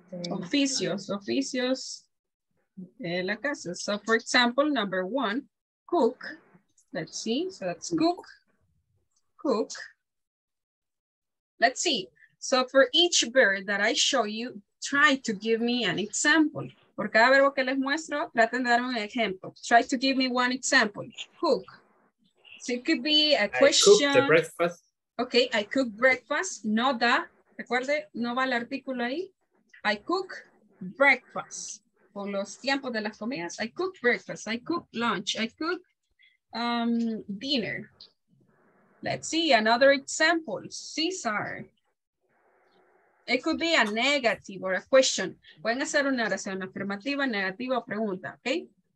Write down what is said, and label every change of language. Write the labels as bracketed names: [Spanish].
[Spanish] Oficios de la casa. [English] So for example, number one, cook. Let's see, so that's cook. Let's see. So for each verb that I show you, try to give me an example. [Spanish] Por cada verbo que les muestro, traten de darme un ejemplo. [English] Try to give me one example. Cook. So it could be a question. I cook the breakfast. Okay, I cook breakfast. [Spanish] No da. Recuerde, no va el artículo ahí. [English] I cook breakfast. [Spanish] Por los tiempos de las comidas, [English] I cook breakfast. I cook lunch. I cook dinner. Let's see another example. Cesar. It could be a negative or a question. [Spanish] Pueden hacer una oración afirmativa, negativa o pregunta, ¿ok?